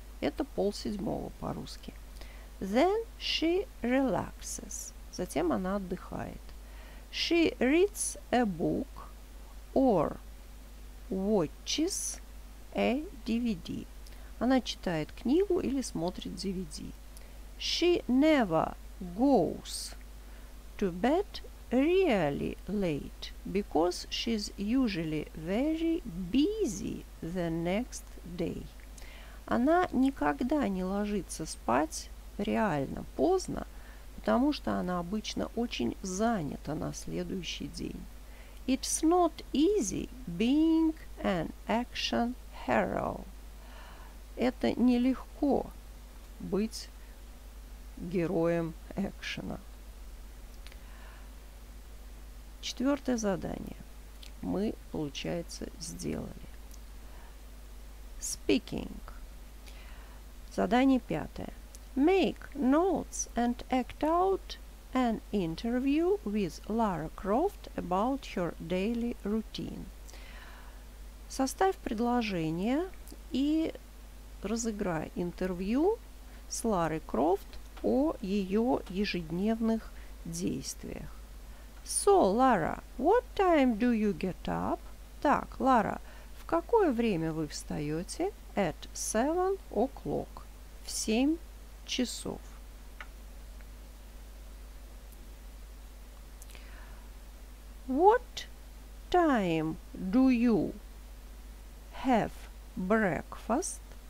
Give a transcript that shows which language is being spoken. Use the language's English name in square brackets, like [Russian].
[Russian] Это 6:30 по-русски. [English] Then she relaxes. [Russian] Затем она отдыхает. [English] She reads a book or watches a DVD. [Russian] Она читает книгу или смотрит DVD. [English] She never goes to bed really late because she's usually very busy the next day. [Russian] Она никогда не ложится спать реально поздно, потому что она обычно очень занята на следующий день. [English] It's not easy being an action hero. [Russian] Это нелегко быть героем экшена. Четвертое задание мы, получается, сделали. [English] Speaking. [Russian] Задание пятое. [English] Make notes and act out an interview with Lara Croft about her daily routine. [Russian] Составь предложение и разыграй интервью с Ларой Крофт о ее ежедневных действиях. [English] So, Lara, what time do you get up? [Russian] Так, Лара, в какое время вы встаете? [English] At 7:00. [Russian] В 7:00. [English] What time do you have breakfast?